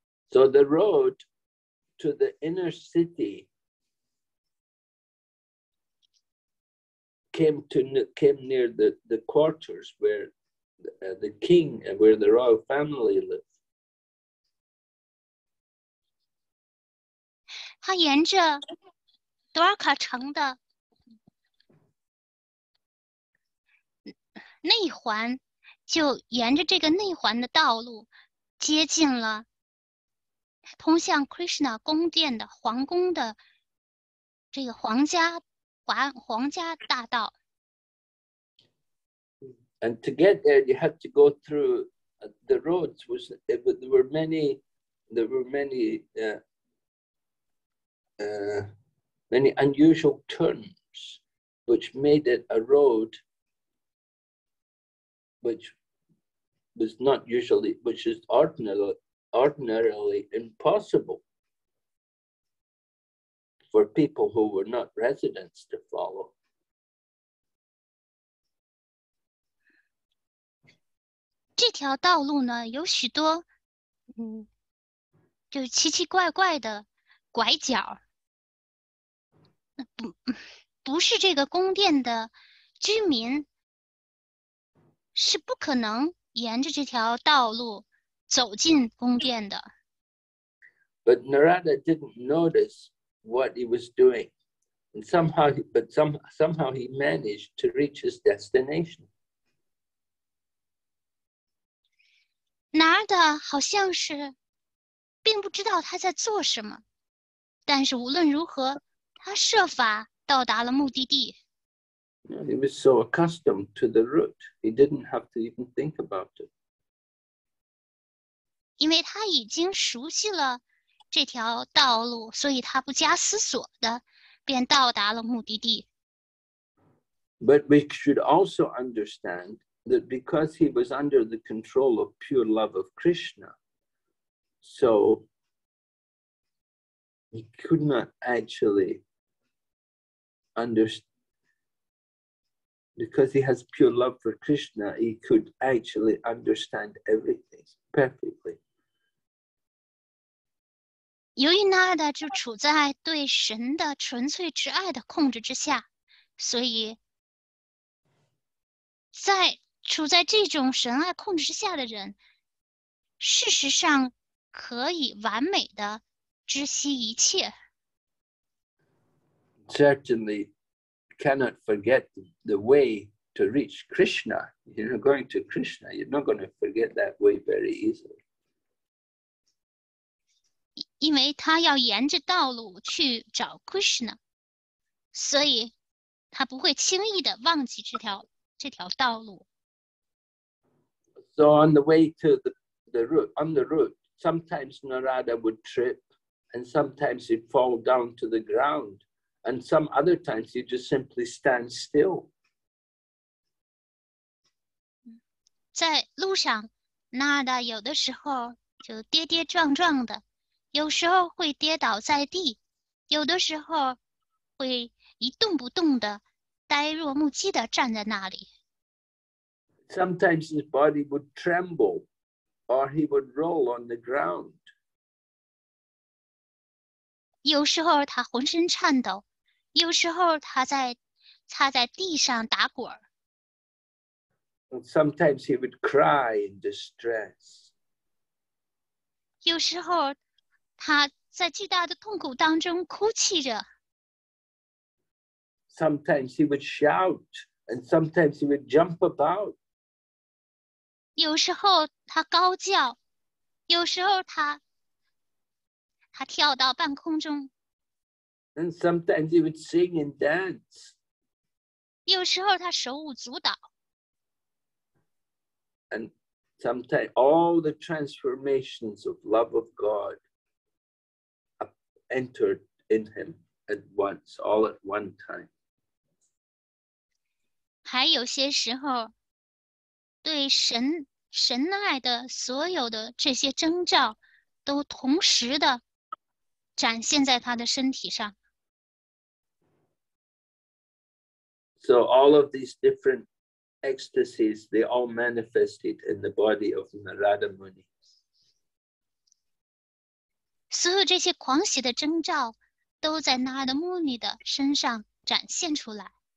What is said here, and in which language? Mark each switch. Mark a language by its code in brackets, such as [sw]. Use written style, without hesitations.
[en] So the road to the inner city came near the quarters where the king and where the royal family lived. [zh] 他沿着多尔卡城的内环，就沿着这个内环的道路接近了通向 Krishna 宫殿的皇宫的这个皇家大道。 [en] And to get there, you had to go through the roads. There were many unusual turns, which made it a road, which is ordinarily impossible for people who were not residents to follow. [zh] 这条道路呢，有许多，就是奇奇怪怪的拐角。不是这个宫殿的居民是不可能沿着这条道路走进宫殿的。 [en] But Narada didn't notice what he was doing, and somehow he managed to reach his destination. [zh] Narada 好像是并不知道他在做什么，但是无论如何。他设法到达了目的地。 [en] He was so accustomed to the route, he didn't have to even think about it. [zh] 因为他已经熟悉了这条道路，所以他不加思索的便到达了目的地。 [en] But we should also understand that because he was under the control of pure love of Krishna, so he could not actually. Because he has pure love for Krishna, he could actually understand everything perfectly. [zh] 由于 Narada 就处在对神的纯粹之爱的控制之下，所以在处在这种神爱控制之下的人，事实上可以完美的知悉一切。 [en] Certainly. Cannot forget the way to reach Krishna. You're not going to Krishna. You're not going to forget that way very easily. [zh] 因为他要沿着道路去找 Krishna， 所以他不会轻易的忘记这条道路。 [en] So on the way to the route, sometimes Narada would trip, and sometimes he'd fall down to the ground, and some other times he'd just simply stand still. [zh] 在路上，纳达有的时候就跌跌撞撞的，有时候会跌倒在地，有的时候会一动不动的，呆若木鸡的站在那里。 [en] Sometimes his body would tremble, or he would roll on the ground. [zh] 有时候他浑身颤抖，有时候他在地上打滚。 [en] And sometimes he would cry in distress. [zh] 有时候他在巨大的痛苦当中哭泣着。 [en] Sometimes he would shout, and sometimes he would jump about. [zh] 有时候他高叫，有时候他跳到半空中。 [en] And sometimes he would sing and dance. [zh] 有时候他手舞足蹈。 [en] And sometimes all the transformations of love of God entered in him at once, all at one time. [zh] 还有些时候，对神爱的所有的这些征兆，都同时的展现在他的身体上。 [en] So all of these different ecstasies, they all manifested in the body of Narada Muni. [zh] 所有这些狂喜的征兆都在 Narada Muni 的身上展现出来。